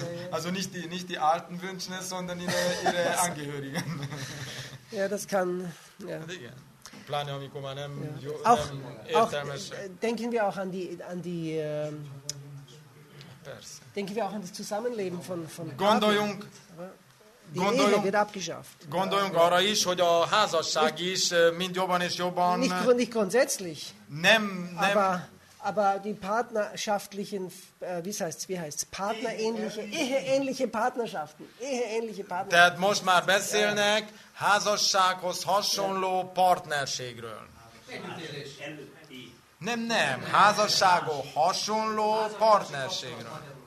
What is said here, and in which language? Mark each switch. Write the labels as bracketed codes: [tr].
[de] Also nicht die alten wünschen es, sondern ihre Angehörigen. Ja, das kann. [hu] Plane, amikor már nem értelmes. [de] Denken wir auch an das Zusammenleben von [hu] Gondoljunk. [de] Die Ehe wird abgeschafft. [hu] Gondoljunk arra is, hogy a házasság is mind jobban és jobban. [de] Nicht grundsätzlich. [hu] Nem. [de] Aber die partnerschaftlichen, wie heißt es, partnerähnliche Partnerschaften. [hu] Tehát most már beszélnek házassághoz hasonló partnerségről. Nem, házassághoz hasonló partnerségről.